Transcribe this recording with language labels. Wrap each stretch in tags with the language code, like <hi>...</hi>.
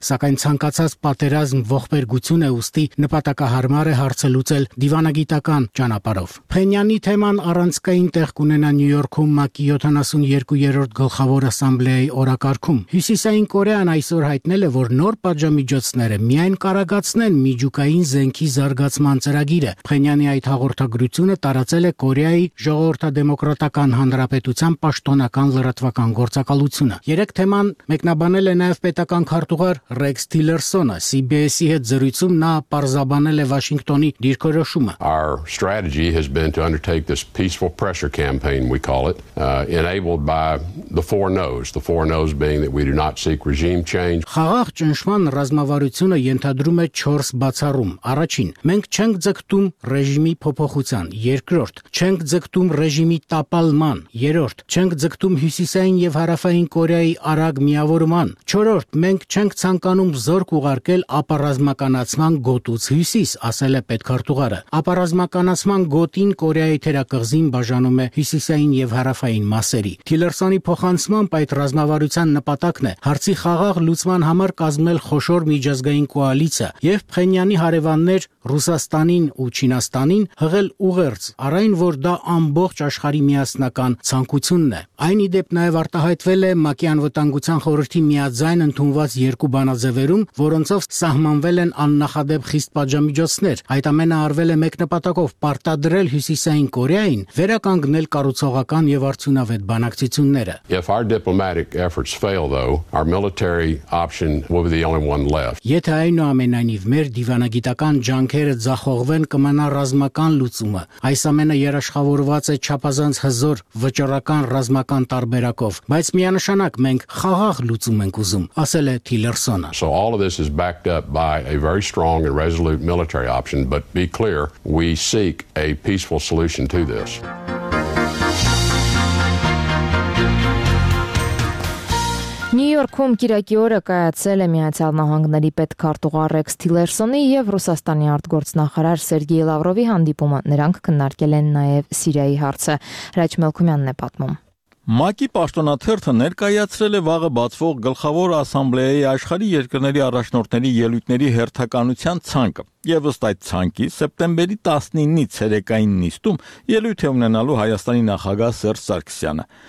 <hy>սակայն ցանկացած պատերազմ ողբերգություն է ուստի նպատակահարմար է հարցելուցել դիվանագիտական ճանապարով։ Փենյանի թեման առանցքային տեղ կունենա Նյու Յորքում ՄԱԿ-ի 72-րդ գլխավոր ասամբլեայի օրակարգում։ Հյուսիսային Կորեան այսօր հայտնել է, որ նոր պատժամիջոցները միայն կարագացնեն միջուկային զենքի զարգացման ծրագիրը։ Փենյանի այդ հաղորդագրությունը տարածել է Կորեայի ժողովրդադեմոկրատական հանրապետության պաշտոնական լրատվական գործակալությունը։ ընդհանրությունը։ Երեք թեման մեկնաբանել է նաև պետական քարտուղար Ռեքս Թիլերսոնը, CBS-ի հետ զրույցում նա պարզաբանել է Վաշինգտոնի դիրքորոշումը։</hy> <en>Our strategy has been to undertake this peaceful pressure campaign, we call it, enabled by the four no's being that we do not seek regime change.</en> <hy>Խաղաղ ճնշման ռազմավարությունը ենթադրում է 4 բացառում։ Առաջին, մենք չենք ձգտում ռեժիմի փոփոխության։ Երկրորդ, չենք ձգտում ռեժիմի տապալման։ Երրորդ, չենք ձգտում Հյուսիսային եւ Հարավային Կորեայի արագ միավորման։ Չորրորդ, մենք չենք ցանկանում զորք ուղարկել ապառազմականացման գոտուց Հյուսիս, ասել է պետքարտուղարը։ Ապառազմականացման գոտին Կորեայի թերակղզին բաժանում է Հյուսիսային եւ Հարավային մասերի։ Թիլերսոնի փոխանցմամբ այդ ռազմավարության նպատակն է հարցի խաղաղ լուծման համար կազմել խոշոր միջազգային կոալիցիա եւ Փենյանի հարևաններ Ռուսաստանին ու Չինաստանին հղել ուղերձ, առայն որ դա ամբողջ աշխարհի միասնական ցանկությունն է։ Այն ի դեպ նաև արտահայտվել է ՄԱԿ-ի անվտանգության խորհրդի միաձայն ընդունված երկու բանաձևերում, որոնցով սահմանվել են աննախադեպ խիստ պատժամիջոցներ։ Այդ ամենը արվել է մեկնպատակով պարտադրել Հյուսիսային Կորեային վերականգնել կառուցողական եւ արդյունավետ բանակցությունները։</hy> <en>If our diplomatic efforts fail though, our military option will be the only one left.</en> <hy>Եթե այնուամենայնիվ մեր դիվանագիտական ջանքերը զախողվեն, կմնա ռազմական լուծումը։ Այս ամենը երաշխավորված է չափազանց հզոր վճռական ռազմական տարբերակով, բայց միանշանակ մենք խաղաղ լուծում ենք ուզում, ասել է Թիլերսոնը։</hy> <en>So all of this is backed up by a very strong and resolute military option, but be clear, we seek a peaceful solution to this.</en> <hy>Նյու Յորքում կիրակի օրը կայացել է Միացյալ Նահանգների պետքարտուղար Ռեքս Թիլերսոնի եւ Ռուսաստանի արտգործնախարար Սերգեյ Լավրովի հանդիպումը, նրանք քննարկել են նաեւ Սիրիայի հարցը, Հրաչ Մելքումյանն է պատմում։ ՄԱԿ-ի պաշտոնաթերթը ներկայացրել է վաղը բացվող գլխավոր ասամբլեայի աշխարհի երկրների առաջնորդների ելույթների հերթականության ցանկը։ Եվ ըստ այդ ցանկի սեպտեմբերի 19-ից ցերեկային նիստում ելույթ է ունենալու Հայաստանի նախագահ Սերժ Սարգսյանը։</hy>